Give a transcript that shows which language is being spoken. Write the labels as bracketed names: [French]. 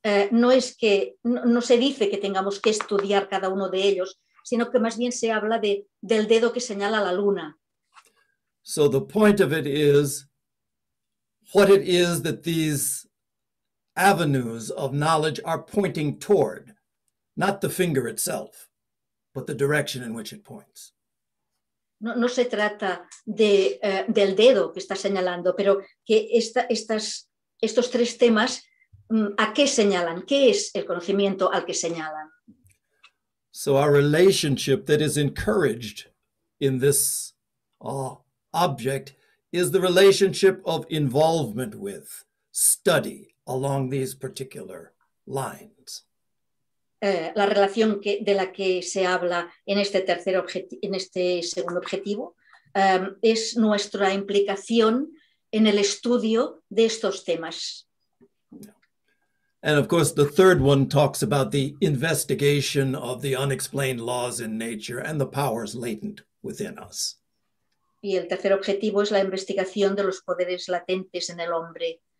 [Spanish] No se dice que tengamos que estudiar cada uno de ellos, sino que más bien se habla del dedo que señala la luna. [English] So the point of it is what it is that these avenues of knowledge are pointing toward, not the finger itself, but the direction in which it points. [Spanish] No se trata del dedo que está señalando, pero que estos tres temas, ¿a qué señalan? ¿Qué es el conocimiento al que señalan? [English] So our relationship that is encouraged in this object is the relationship of involvement with study along these particular lines. [Spanish] La relación de la que se habla en este tercer objetivo, en este segundo objetivo, es nuestra implicación en el estudio de estos temas. [English] And of course, the third one talks about the investigation of the unexplained laws in nature and the powers latent within us. [Spanish] Y el tercer objetivo es la investigación de los poderes latentes en el hombre.